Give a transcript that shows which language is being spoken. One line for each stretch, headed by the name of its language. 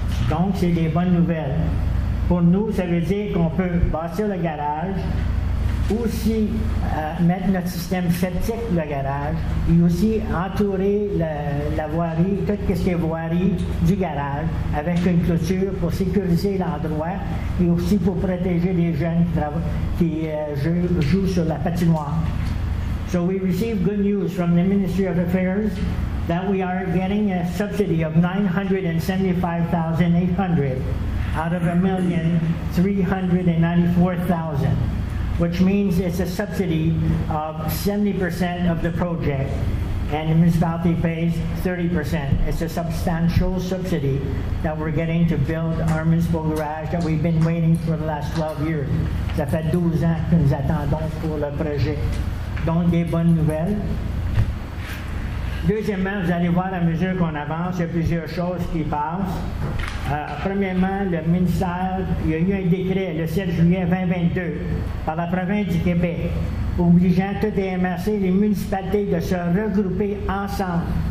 French: Donc, c'est des bonnes nouvelles. Pour nous, ça veut dire qu'on peut bâtir le garage, aussi mettre notre système septique, le garage, et aussi entourer la voirie, tout ce qui est voirie du garage, avec une clôture pour sécuriser l'endroit et aussi pour protéger les jeunes qui jouent sur la patinoire.
English: So we received good news from the Ministry of Affairs that we are getting a subsidy of $975,800 out of $1,394,000, which means it's a subsidy of 70% of the project, and the municipality pays 30%. It's a substantial subsidy that we're getting to build our municipal garage that we've been waiting for the last 12 years.
French: Ça fait 12 ans que nous attendons pour le projet. Donc, des bonnes nouvelles. Deuxièmement, vous allez voir à mesure qu'on avance, il y a plusieurs choses qui passent. Premièrement, le ministère, il y a eu un décret le 7 juillet 2022 par la province du Québec obligeant toutes les MRC, les municipalités, de se regrouper ensemble.